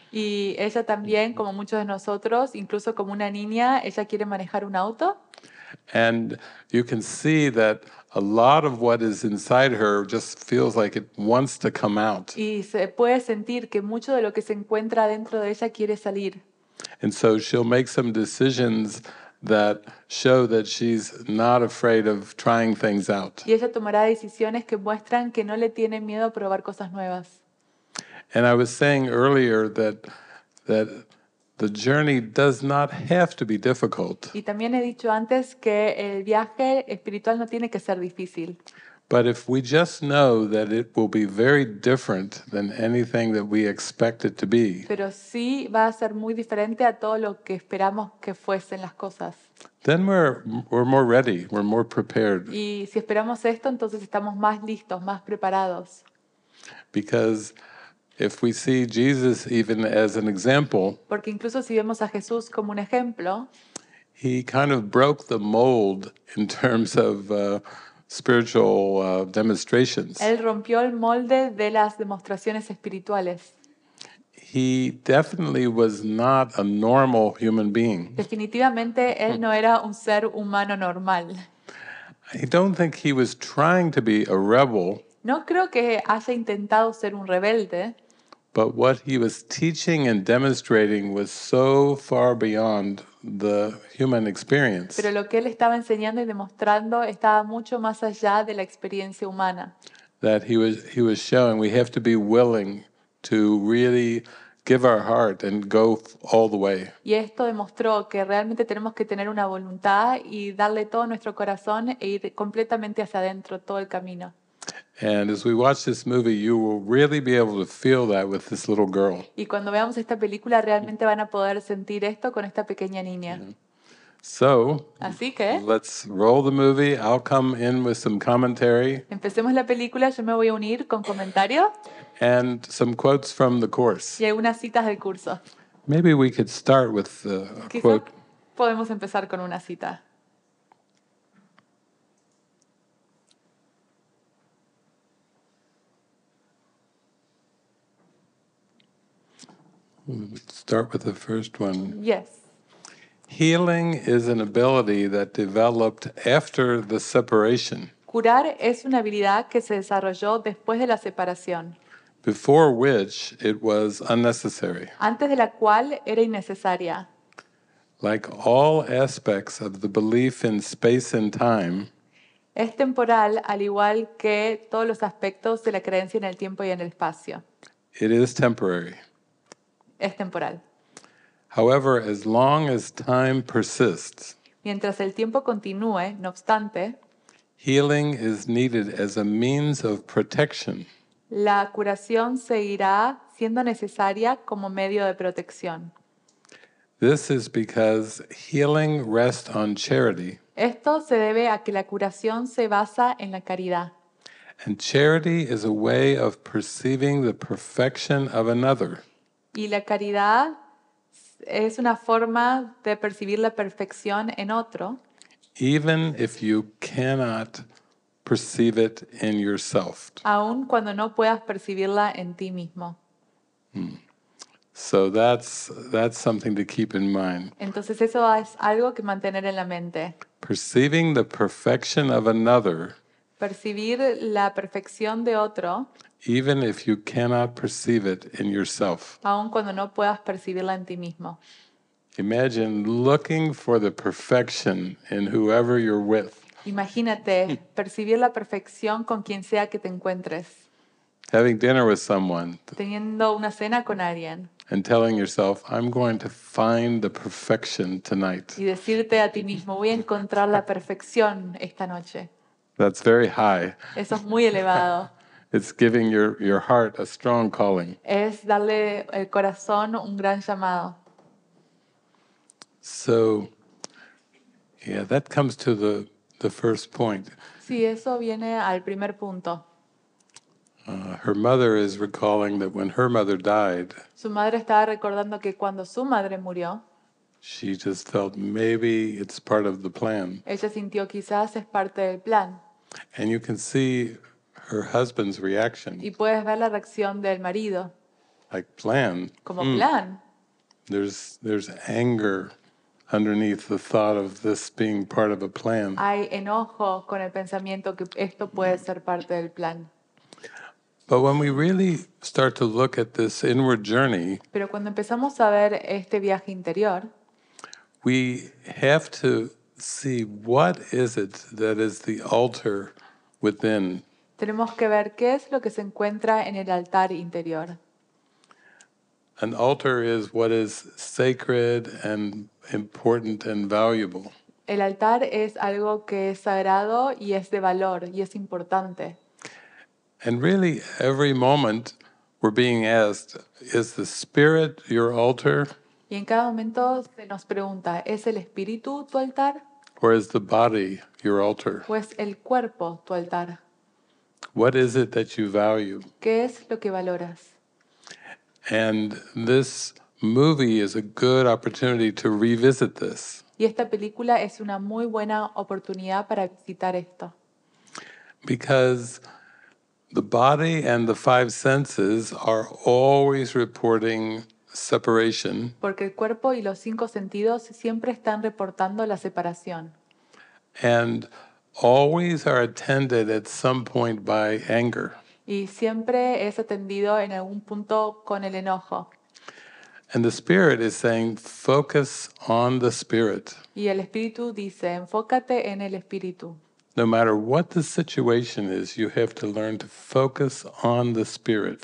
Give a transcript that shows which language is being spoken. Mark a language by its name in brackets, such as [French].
[Spanish] Y ella también, como muchos de nosotros, incluso como una niña, ella quiere manejar un auto. [English] And you can see that a lot of what is inside her just feels like it wants to come out. [Spanish] Y se puede sentir que mucho de lo que se encuentra dentro de ella quiere salir. [English] And so she'll make some decisions that show that she's not afraid of trying things out. [Spanish] Y ella tomará decisiones que muestran que no le tiene miedo a probar cosas nuevas. [English] And I was saying earlier that the journey does not have to be difficult. [Spanish] Y también he dicho antes que el viaje espiritual no tiene que ser difícil. [English] But if we just know that it will be very different than anything that we expect it to be. [Spanish] Pero sí va a ser muy diferente a todo lo que esperamos que fuesen las cosas. [English] Then we're more ready, we're more prepared. [Spanish] Y si esperamos esto, entonces estamos más listos, más preparados. [English] Because if we see Jesus even as an example, [Spanish] porque incluso si vemos a Jesús como un ejemplo, [English] he kind of broke the mold in terms of spiritual demonstrations. [Spanish] Él rompió el molde de las demostraciones espirituales. [English] He definitely was not a normal human being. [Spanish] Definitivamente él no era un ser humano normal. [English] I don't think he was trying to be a rebel. [Spanish] No creo que haya intentado ser un rebelde. [English] But what he was teaching and demonstrating was so far beyond the human experience. [Spanish] Pero lo que él estaba enseñando y demostrando estaba mucho más allá de la experiencia humana. [English] That he was showing we have to be willing to really give our heart and go all the way. [Spanish] Y esto demostró que realmente tenemos que tener una voluntad y darle todo nuestro corazón e ir completamente hacia adentro todo el camino. [English] And as we watch this movie, you will really be able to feel that with this little girl. [Spanish] Y cuando veamos esta película, realmente van a poder sentir esto con esta pequeña niña. [English] Yeah. So, [Spanish] así que, [English] let's roll the movie. I'll come in with some commentary. [Spanish] Empecemos la película. Yo me voy a unir con comentario. [English] And some quotes from the course. [Spanish] Y algunas citas del curso. [English] Maybe we could start with a [Spanish] quizá [English] quote. [Spanish] Podemos empezar con una cita. [English] Start with the first one. Yes. Healing is an ability that developed after the separation. [Spanish] Curar es una habilidad que se desarrolló después de la separación. [English] Before which it was unnecessary. [Spanish] Antes de la cual era innecesaria. [English] Like all aspects of the belief in space and time. [Spanish] Es temporal al igual que todos los aspectos de la creencia en el tiempo y en el espacio. [English] It is temporary. [Spanish] Es temporal. [English] However, as long as time persists, [Spanish] mientras el tiempo continúe, no obstante, [English] healing is needed as a means of protection. [Spanish] La curación seguirá siendo necesaria como medio de protección. [English] This is because healing rests on charity. [Spanish] Esto se debe a que la curación se basa en la caridad. [English] And charity is a way of perceiving the perfection of another. [Spanish] Y la caridad es una forma de percibir la perfección en otro. [English] Even if you cannot perceive it in yourself. [Spanish] Aun cuando no puedas percibirla en ti mismo. [English] Hmm. So that's something to keep in mind. [Spanish] Entonces eso es algo que mantener en la mente. [English] Perceiving the perfection of another. [Spanish] Percibir la perfección de otro. [English] Even if you cannot perceive it in yourself. [Spanish] Aun cuando no puedas percibirla en ti mismo. [English] Imagine looking for the perfection in whoever you're with. [Spanish] Imagínate percibir la perfección con quien sea que te encuentres. [English] Having dinner with someone. [Spanish] Teniendo una cena con alguien. [English] And telling yourself, I'm going to find the perfection tonight. [Spanish] Y decirte a ti mismo, voy a encontrar la perfección esta noche. [English] That's very high. [Spanish] Eso es muy elevado. [English] It's giving your heart a strong calling. [Spanish] Es darle el corazón un gran llamado. [English] So, yeah, that comes to the first point. [Spanish] Sí, eso viene al primer punto. [English] Her mother is recalling that when her mother died. [Spanish] Su madre estaba recordando que cuando su madre murió. [English] She just felt maybe it's part of the plan. [Spanish] Ella sintió quizás es parte del plan. [English] And you can see her husband's reaction. [Spanish] Y puedes ver la reacción del marido. [English] Like plan. [Spanish] Como plan. [English] There's anger underneath the thought of this being part of a plan. [Spanish] Hay enojo con el pensamiento que esto puede ser parte del plan. [English] But when we really start to look at this inward journey, [Spanish] pero cuando empezamos a ver este viaje interior, [English] we have to see what is it that is the altar within. [Spanish] Tenemos que ver qué es lo que se encuentra en el altar interior. [English] An altar is what is sacred and important and valuable. [Spanish] El altar es algo que es sagrado y es de valor y es importante. [English] And really, every moment we're being asked, is the spirit your altar? [Spanish] Y en cada momento se nos pregunta, ¿es el espíritu tu altar? [English] Or is the body your altar? [Spanish] ¿O es el cuerpo tu altar? [English] What is it that you value? [Spanish] ¿Qué es lo que valoras? [English] And this movie is a good opportunity to revisit this. [Spanish] Y esta película es una muy buena oportunidad para visitar esto. [English] Because the body and the five senses are always reporting separation. [Spanish] Porque el cuerpo y los cinco sentidos siempre están reportando la separación. [English] And always are attended at some point by anger. [Spanish] Y siempre es atendido en algún punto con el enojo. [English] And the spirit is saying, focus on the spirit. [Spanish] Y el espíritu dice, enfócate en el espíritu. [English] No matter what the situation is, you have to learn to focus on the spirit.